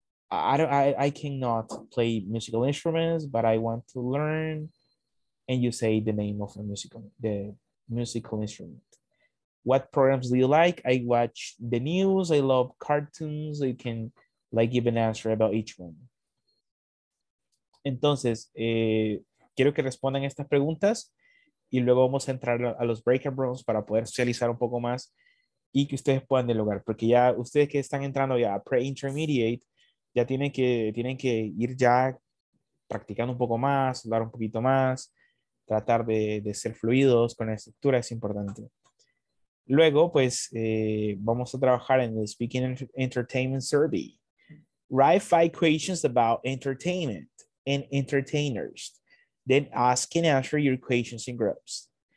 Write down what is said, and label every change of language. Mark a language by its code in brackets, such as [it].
[en] I cannot play musical instruments, but I want to learn. And you say the name of the musical instrument. What programs do you like? I watch the news. I love cartoons. You can like give an answer about each one. [es] Entonces, quiero que respondan estas preguntas y luego vamos a entrar a los breakout rooms para poder socializar un poco más y que ustedes puedan dialogar, porque ya ustedes que están entrando ya a pre-intermediate, ya tienen que ir ya practicando un poco más, hablar un poquito más, tratar de ser fluidos con la estructura, es importante. Luego, pues, vamos a trabajar en el Speaking Entertainment Survey. [en] Write 5 questions about entertainment and entertainers. Then ask and answer your questions in groups.